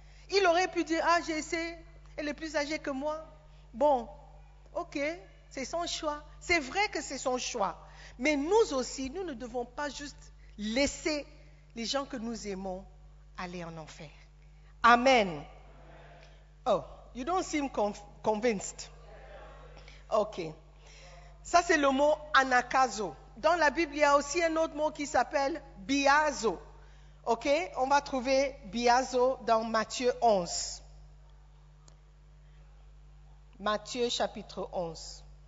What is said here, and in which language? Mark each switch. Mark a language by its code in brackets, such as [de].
[fr] Il aurait pu dire, ah, j'ai essayé, elle est plus âgée que moi. Bon, ok, c'est son choix. C'est vrai que c'est son choix. Mais nous aussi, nous ne devons pas juste laisser les gens que nous aimons aller en enfer. Amen. [en] Oh, you don't seem convinced. [fr] Ok. Ça, c'est le mot anakazo. Dans la Bible, il y a aussi un autre mot qui s'appelle biazo. Ok, on va trouver biazo dans Matthieu 11. Matthieu chapitre 11.